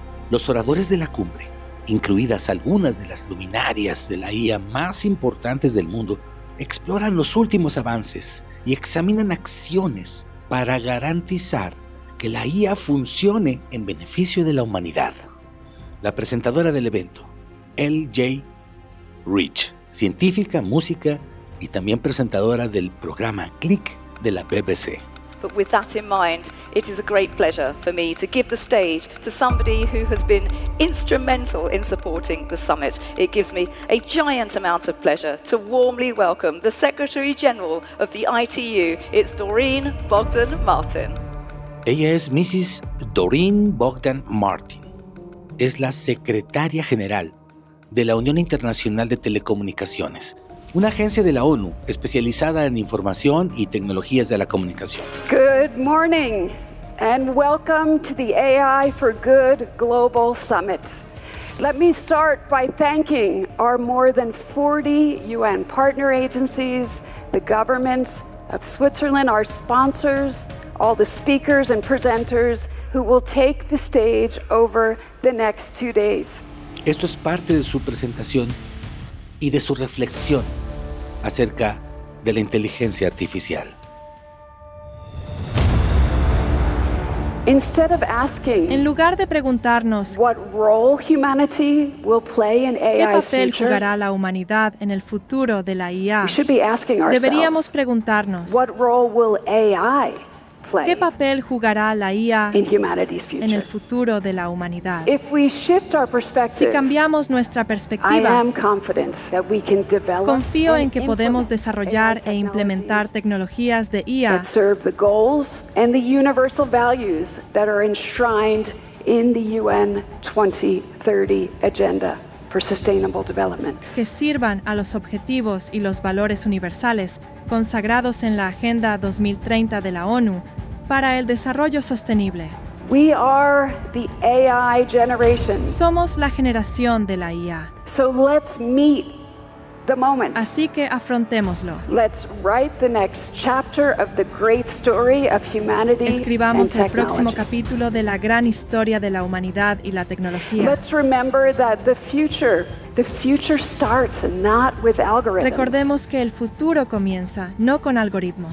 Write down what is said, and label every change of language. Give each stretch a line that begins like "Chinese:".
Spanish: Los oradores de la cumbre, incluidas algunas de las luminarias de la IA más importantes del mundo, exploran los últimos avances y examinan acciones para garantizar que la IA funcione en beneficio de la humanidad. La presentadora del evento, L.J. Rich, científica, música y también presentadora del programa Click de la BBC.
English: But with that in mind, it is a great pleasure for me to give the stage to somebody who has been instrumental in supporting the summit. It gives me a giant amount of pleasure to warmly welcome the Secretary General of the ITU. It's Doreen Bogdan-Martin.
Spanish: Ella es Mrs. Doreen Bogdan-Martin. Es la Secretaria General de la Unión Internacional de Telecomunicaciones, una agencia de la ONU especializada en información y tecnologías de la comunicación.
English: Good morning and welcome to the AI for Good Global Summit. Let me start by thanking our more than 40 UN partner agencies, the government of Switzerland, our sponsors, all the speakers and presenters who will take the stage over the next 2 days.
Spanish: Esto es parte de su presentación y de su reflexión acerca de la inteligencia artificial.
English: Instead of asking,
Spanish: en lugar de preguntarnos
English: what role humanity will play in AI's
Spanish: qué papel
English: future,
Spanish: jugará la humanidad en el futuro de la IA,
English: we should be asking ourselves,
Spanish: deberíamos preguntarnos
English: what role will AI play
Spanish: qué papel jugará la IA
English: in humanity's future.
Spanish: En el futuro de la humanidad.
English: If we shift our perspective,
Spanish: si cambiamos nuestra perspectiva,
English: I am confident that we can develop,
Spanish: confío en que podemos desarrollar e implementar tecnologías de IA
English: that serve the goals and the universal values that are enshrined in the UN 2030 agenda for sustainable development.
Spanish: Que sirvan a los objetivos y los valores universales consagrados en la Agenda 2030 de la ONU para el desarrollo sostenible.
English: We are the AI generation.
Spanish: Somos la generación de la IA.
English: So let's meet the moment.
Spanish: Así que afrontémoslo.
English: Let's write the next chapter of the great story of humanity and technology.
Spanish: Escribamos el próximo capítulo de la gran historia de la humanidad y la tecnología.
English: Let's remember that the future starts not with algorithms.
Spanish: Recordemos que el futuro comienza no con algoritmos,